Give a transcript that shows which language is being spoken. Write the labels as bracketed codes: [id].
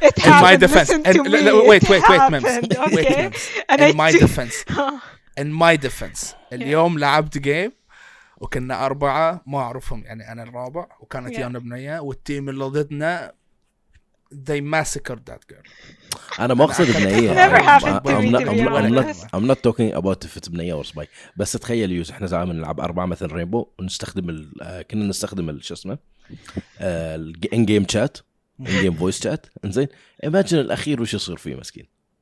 [en] In my defense wait mems in my defense [ar] اليوم لعبت جيم وكنا أربعة ما أعرفهم يعني أنا الرابع وكانت يانا بنية والتيم اللي ضدنا [en] they massacred that girl. [ar] أنا ما أقصد بنية. [en] I'm not talking about if it's بنية or spy. [ar] بس تخيل يوز إحنا زعلنا نلعب أربعة مثل ريمبو ونستخدم ال كنا نستخدم ال شو اسمه ال [en] in game chat in game voice chat. [ar] إنزين imagine الأخير وش يصير فيه مسكين.